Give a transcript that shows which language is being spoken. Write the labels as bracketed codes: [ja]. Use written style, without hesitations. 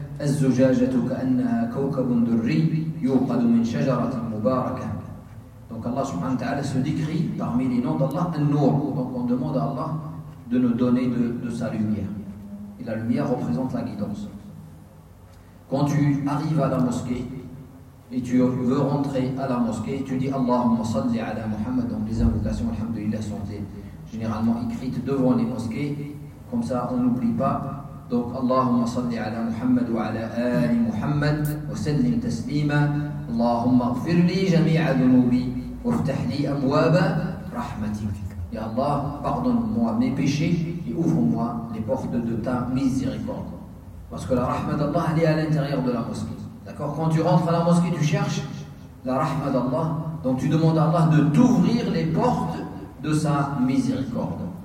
[ar] الزجاجه كانها كوكب دري يوقد من شجره مباركه. [fr] Donc Allah subhanahu wa ta'ala se décrit parmi les noms d'Allah An-Nur. Donc on demande à Allah de nous donner de sa lumière, et la lumière représente la guidance. Quand tu arrives à la mosquée et tu veux rentrer à la mosquée, tu dis [ar] Allahumma salli ala Muhammad. [fr] Donc les invocations alhamdulillah sont généralement écrites devant les mosquées, comme ça on n'oublie pas. Donc [ar] اللهم صل على محمد وعلى آل محمد وسلم تسليما اللهم اغفر لي جميع ذنوبي وافتح لي أبواب رحمتك. [fr] يا الله pardonne-moi mes péchés et ouvre-moi les portes de ta miséricorde. Parce que la rahma d'Allah est à l'intérieur de la mosquée. D'accord, quand tu rentres à la mosquée, tu cherches la rahma d'Allah, donc tu demandes à Allah de t'ouvrir les portes de sa miséricorde.